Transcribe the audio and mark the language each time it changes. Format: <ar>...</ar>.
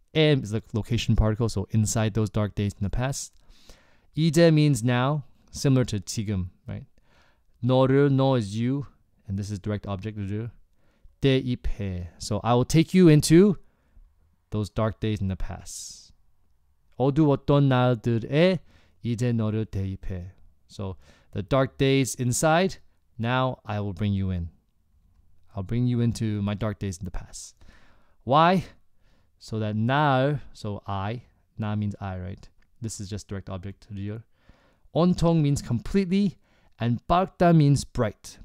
<en>M is the location particle, so inside those dark days in the past. 이제 means now, similar to 지금, right? 너를, 너 is you, and this is direct object, 대입해. So I will take you into those dark days in the past.</en> <ko>어두웠던 날들에 이제 너를 대입해.</ko> <en>So the dark days inside, now I will bring you in. I'll bring you into my dark days in the past. Why? So that now, so I, now means I, right? This is just direct object. 온통 means completely, and 밝다 means bright.</en>